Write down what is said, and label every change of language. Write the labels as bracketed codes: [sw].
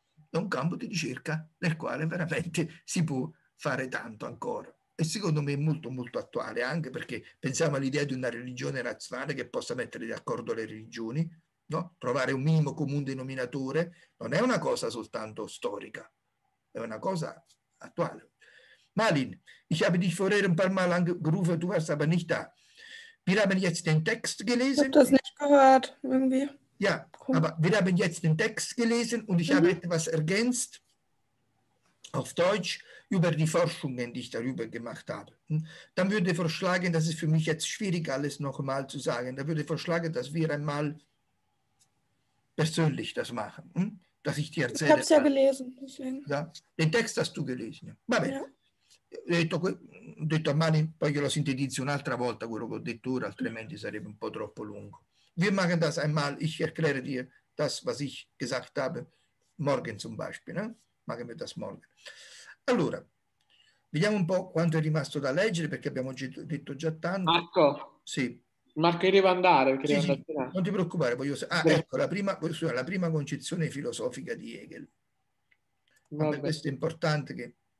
[it] È un campo di ricerca nel quale veramente si può fare tanto ancora, e secondo me è molto molto attuale, anche perché pensiamo all'idea di una religione razionale che possa mettere d'accordo le religioni, no? Trovare un minimo comune denominatore non è una cosa soltanto storica, è una cosa attuale. [de] Malin, ich habe dich vorher ein paar Mal angerufen, du warst aber nicht da. Wir haben jetzt den Text gelesen. Ich habe das nicht gehört, irgendwie. Ja, cool. Aber wir haben jetzt den Text gelesen und ich habe etwas ergänzt auf Deutsch über die Forschungen, die ich darüber gemacht habe. Dann würde ich vorschlagen, das ist für mich jetzt schwierig, alles nochmal zu sagen, dann würde ich vorschlagen, dass wir einmal persönlich das machen, dass ich dir erzähle. Ich habe es ja gelesen. Deswegen. Ja? Den Text hast du gelesen. [it] Va bene. [de] Ja. [it] Ho detto a Mani, poi glielo sintetizzo un'altra volta quello che ho detto ora, altrimenti sarebbe un po' troppo lungo. [de] Wir machen das einmal, ich erkläre dir das, was ich gesagt habe, morgen zum Beispiel, ne? Machen wir das morgen. [it] Allora, vediamo un po' quanto è rimasto da leggere, perché abbiamo detto già tanto. Marco? Sì. Marco, io devo andare. Sì, sì. Non ti preoccupare, voglio... Ah, sì. Ecco, la prima concezione filosofica di Hegel. Vabbè. Questo è importante che...